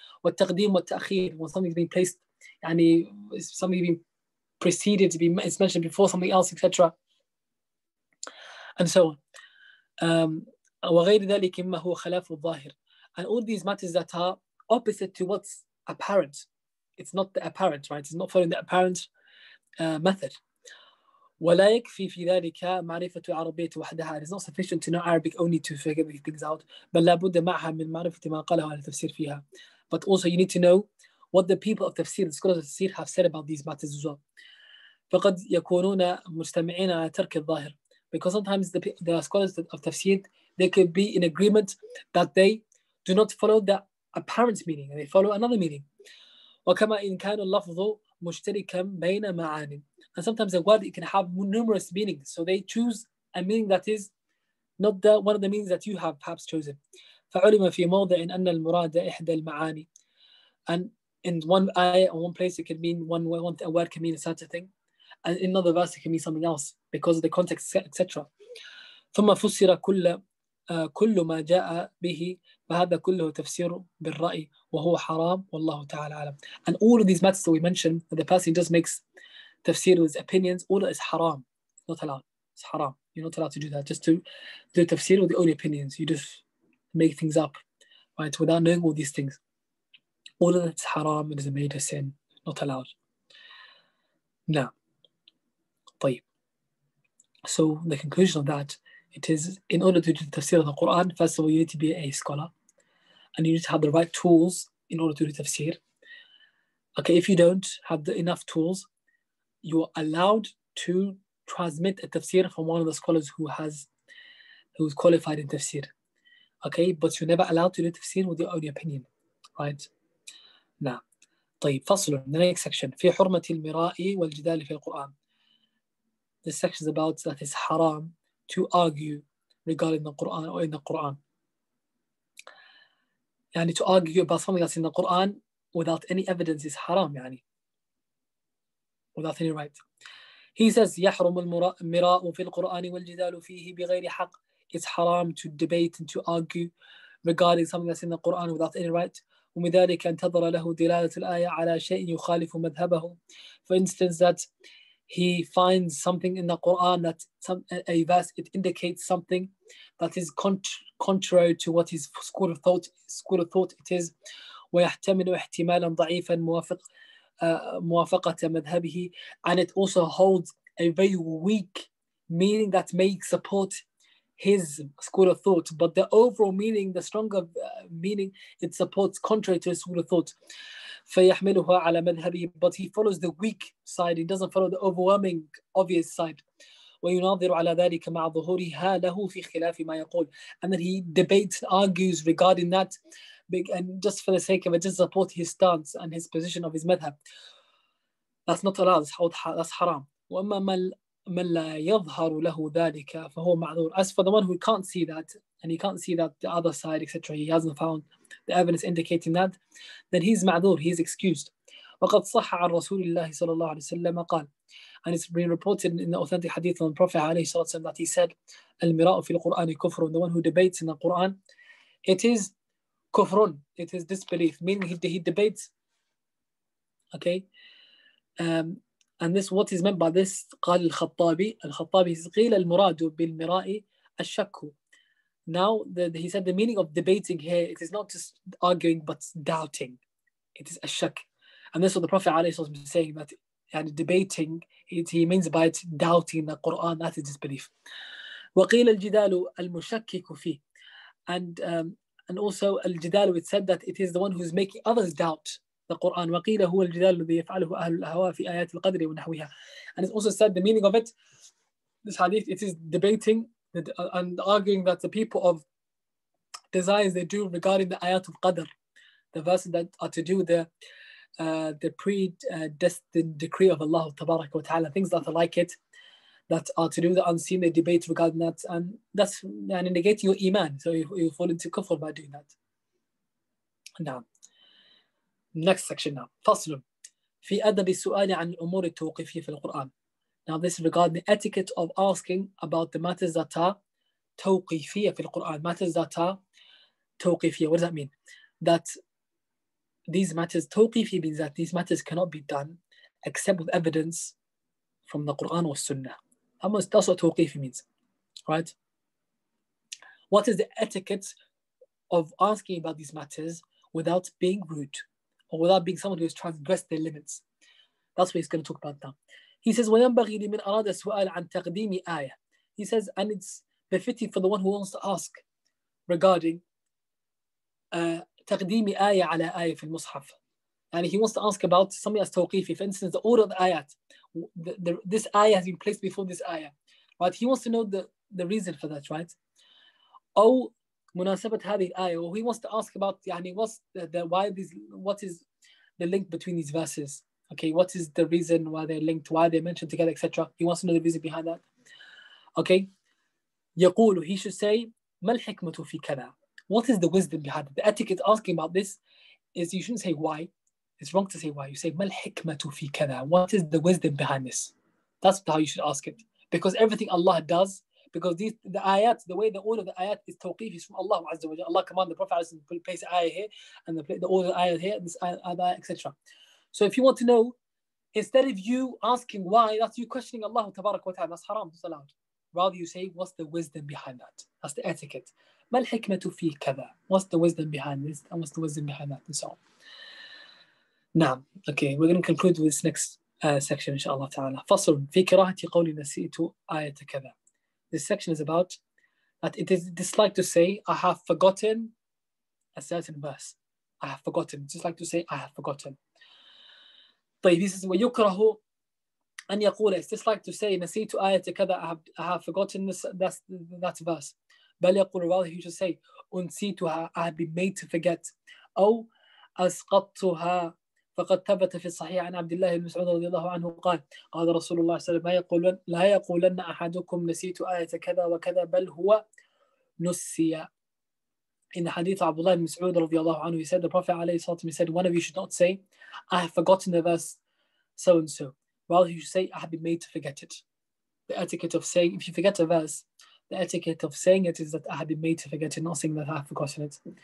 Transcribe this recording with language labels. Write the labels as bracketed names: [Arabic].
[Arabic] وَالْتَقْدِيمُ وَالْتَأْخِيرُ, [English] when something is being placed, يعني, something is being preceded, it's mentioned before something else, etc. And so on. [Arabic] وَغَيْرِ ذَلِكِ مَّهُ خَلَافُ الظَّاهِرِ, [English] and all these matters that are opposite to what's apparent. It's not the apparent, right? It's not following the apparent method. [Arabic] ولا يكفي في ذلك معرفة العربية وحدها. [English] It is not sufficient to know Arabic only to figure these things out. [Arabic] بل لابد معها من معرفة ما قاله على التفسير فيها. [English] But also you need to know what the people of tafsir, the scholars of tafsir have said about these matters as well. [Arabic] فقد يكونون مجتمعين على ترك الظاهر. [English] Because sometimes the scholars of tafsir, they could be in agreement that they do not follow the apparent meaning and they follow another meaning. [Arabic] وكما إن كان اللفظ مشتركا بين معاني. [English] And sometimes a word, it can have numerous meanings. So they choose a meaning that is not the one of the meanings that you have perhaps chosen. [Arabic] فعلم في موضع أن المراد إحدى المعاني. [English] And in one ayah or one place, it can mean a word can mean a certain thing. And in another verse, it can mean something else because of the context, etc. [Arabic] ثم فسر كل ما جاء به فهذا كله تفسير بالرأي وهو حرام والله تعالى عالم. [English] And all of these matters that we mentioned, that the person just makes tafsir with opinions, all that is haram. Not allowed. It's haram. You're not allowed to do that. Just to do tafsir with the only opinions. You just make things up, right? Without knowing all these things. All of that is haram. It is a major sin. Not allowed. Now, طيب. So the conclusion of that, it is in order to do tafsir of the Quran, first of all, you need to be a scholar. And you need to have the right tools in order to do tafsir. Okay, if you don't have enough tools, you are allowed to transmit a tafsir from one of the scholars who is qualified in tafsir. Okay, but you're never allowed to do tafsir with your own opinion, right? [Arabic] Now, طيب فصل [English] in the next section [Arabic] في حرمة المراء والجدال في القرآن. [English] This section is about that is haram to argue regarding the Quran or in the Quran. يعني to argue about something that's in the Quran without any evidence is haram. يعني. Without any right. He says, [Arabic] يحرم المراء في القرآن والجدال فيه بغير حق. [English] It's haram to debate and to argue regarding something that's in the Quran without any right. [Arabic] ومن ذلك انتظر له دلالة الآية على شيء يخالف مذهبه. [English] For instance, that he finds something in the Quran that a verse, it indicates something that is contrary to what his school of thought it is. [Arabic] ويحتمل احتمالا ضعيفا موافق موافقة مذهبه, [English] and it also holds a very weak meaning that may support his school of thought, but the overall meaning, the stronger meaning, it supports contrary to his school of thought. [Arabic] فيحمله على مذهبه, [English] but he follows the weak side, he doesn't follow the overwhelming obvious side. [Arabic] ويناظر على ذلك مع ظهورها له في خلاف ما يقول, [English] and then he debates, argues regarding that. And just for the sake of it, just support his stance and his position of his madhab. That's not allowed. That's haram. [Arabic] وأما من لا يظهر له ذلك فهو معذور. [English] As for the one who can't see that, and he can't see that the other side, etc., he hasn't found the evidence indicating that, then he's معذور. He's excused. [Arabic] وقد صح عن رسول الله صلى الله عليه وسلم قال, [English] and it's been reported in the authentic hadith of the Prophet عليه الصلاة والسلام that he said, [Arabic] المراء في القرآن كفر. [English] The one who debates in the Quran, it is kufrun, it is disbelief, meaning he debates. Okay, and this, what is meant by this? [Arabic] قال الخطابي, الخطابي قيل المراد بالمراء الشك. [English] Now he said the meaning of debating here, it is not just arguing but doubting, it is الشك. And this is what the Prophet عليه الصلاة والسلام was saying, that يعني debating, he means by it doubting the Quran, that is disbelief. [Arabic] وقيل الجدال المشكك فيه, [English] and also al-jidal, it said that it is the one who is making others doubt the Quran. [Arabic] وَقِيلَ هُوَ الْجِدَالُ الَّذِي يَفْعَلُهُ أَهْلُ الْأَهْوَى فِي آيَاتِ الْقَدْرِ وَنَحْوِهَا. [English] And it's also said the meaning of it, this hadith, it is debating and arguing that the people of desires they do regarding the ayat of qadr, the verses that are to do the predestined decree of Allah tabarak wa ta'ala, things that are like it, that are to do the unseen, they debate regarding that, and that's and negating your iman, so you fall into kufr by doing that. Now, next section now. [Arabic] فصل في أدب السؤال عن الأمور التوقيفية في القرآن. [English] Now this is regarding the etiquette of asking about the matters that are [Arabic] توقيفية في القرآن. [English] Matters that are توقيفية. What does that mean? That these matters, توقيفية means that these matters cannot be done except with evidence from the Quran or Sunnah. Almost, that's what توقيفي means, right? What is the etiquette of asking about these matters without being rude or without being someone who has transgressed their limits? That's what he's going to talk about now. He says, [Arabic] وَيَنْبَغِي لِمِنْ أَرَادَ سُؤَالَ عَنْ تَقْدِيمِ آيَةٍ. [English] He says, and it's befitting for the one who wants to ask regarding [Arabic] تَقْدِيمِ آيَةٍ عَلَى آيَةٍ فِي الْمُصْحَفِ. [English] And he wants to ask about something as tawqifi. For instance, the order of the ayat. This ayah has been placed before this ayah. Right? He wants to know the reason for that, right? [Arabic] أو مناسبة هذه الآية. [English] Or he wants to ask about, يعني, what's what is the link between these verses? Okay, what is the reason why they're linked, why they're mentioned together, etc. He wants to know the reason behind that. Okay. [Arabic] يقول, [English] he should say, [Arabic] ما الحكمة في كذا? [English] What is the wisdom behind it? The etiquette asking about this is, you shouldn't say why. It's wrong to say why. You say, [Arabic] ما الحكمة في كذا? [English] What is the wisdom behind this? That's how you should ask it. Because everything Allah does, because the ayat, the way the order of the ayat is tawqif is from Allah Azza wa Jalla. Allah commanded the Prophet to place the ayah here, and the order of the ayat here, and this ayah, etc. So if you want to know, instead of you asking why, that's you questioning Allah Tabarak wa Ta'ala. That's haram, that's allowed. Rather you say, what's the wisdom behind that? That's the etiquette. [Arabic] ما الحكمة في كذا? [English] What's the wisdom behind this? And what's the wisdom behind that? And so on. [Arabic] نعم. [English] Okay, we're going to conclude with this next section, inshallah ta'ala. [Arabic] فصل في كراهة قولي نسيت آية كذا. [English] This section is about that it is disliked to say, I have forgotten a certain verse. I have forgotten. Just like to say, I have forgotten. طيب, this is [Arabic] ويكره أن يقول, [English] it's disliked to say, [Arabic] نسيت آية كذا, [English] I have forgotten that verse. [Arabic] بل يقول, [English] well, he should say, أنسيتها, I have been made to forget. [Arabic] أو أسقطتها. فقد ثبت في الصحيح عن عبد الله بن مسعود رضي الله عنه قال قال رسول الله صلى الله عليه وسلم لا يقولن أحدكم نسيت آية كذا وكذا بل هو نسي. [English] In the hadith of Abdullah ibn Mas'ud رضي الله عنه, he said, the Prophet عليه الصلاة والسلام, he said, one of you should not say, I have forgotten the verse so and so. Rather, you should say, I have been made to forget it. The etiquette of saying, if you forget a verse, the etiquette of saying it is that I have been made to forget it, not saying that I have forgotten it.